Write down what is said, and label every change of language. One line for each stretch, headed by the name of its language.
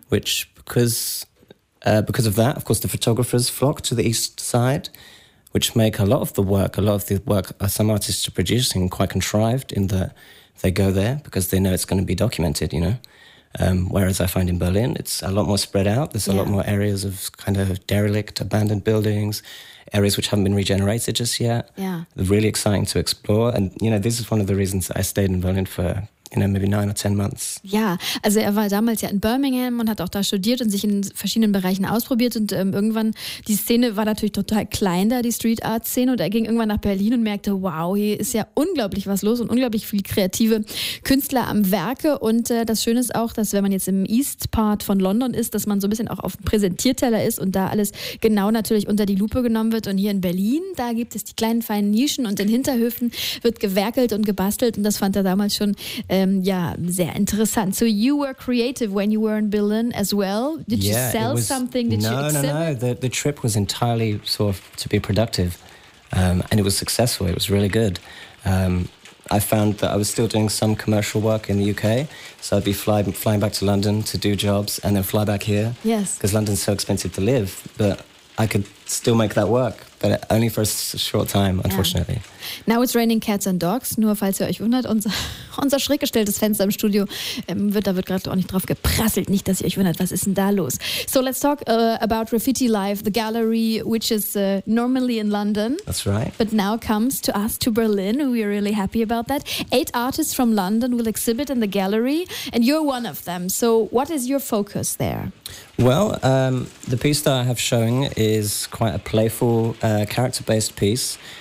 English: which because of that, of course, the photographers flock to the East side, which make a lot of the work some artists are producing quite contrived in that they go there because they know it's going to be documented, you know? Whereas I find in Berlin, it's a lot more spread out. There's a lot more areas of kind of derelict, abandoned buildings, areas which haven't been regenerated just yet. Yeah. Really exciting to explore. And, you know, this is one of the reasons that I stayed in Berlin for, you know, maybe 9 or 10 months.
German: Ja, also er war damals ja in Birmingham und hat auch da studiert und sich in verschiedenen Bereichen ausprobiert. Und irgendwann, die Szene war natürlich total klein da, die Street-Art-Szene. Und er ging irgendwann nach Berlin und merkte, wow, hier ist ja unglaublich was los und unglaublich viele kreative Künstler am Werke. Und das Schöne ist auch, dass wenn man jetzt im East Part von London ist, dass man so ein bisschen auch auf dem Präsentierteller ist und da alles genau natürlich unter die Lupe genommen wird. Und hier in Berlin, da gibt es die kleinen feinen Nischen und in Hinterhöfen wird gewerkelt und gebastelt. Und das fand er damals schon sehr interessant.
English: So you were creative when you were in Berlin as well? Did you sell something? The trip was entirely sort of to be productive. And it was successful. It was really good. I found that I was still doing some commercial work in the UK. So I'd be flying back to London to do jobs and then fly back here. Yes. Because London's so expensive to live. But I could still make that work. But only for a short time, unfortunately. Yeah. Now it's raining cats and dogs.
German: Nur falls ihr euch wundert, unser schräg gestelltes Fenster im Studio, da wird gerade auch nicht drauf geprasselt. Nicht, dass ihr euch wundert, was ist denn da los?
English: So let's talk about Graffiti Life, the gallery, which is normally in London. That's right. But now comes to us to Berlin. We are really happy about that. 8 artists from London will exhibit in the gallery, and you're one of them. So what is your focus there? Well, the piece that I have showing is quite a playful, character-based piece.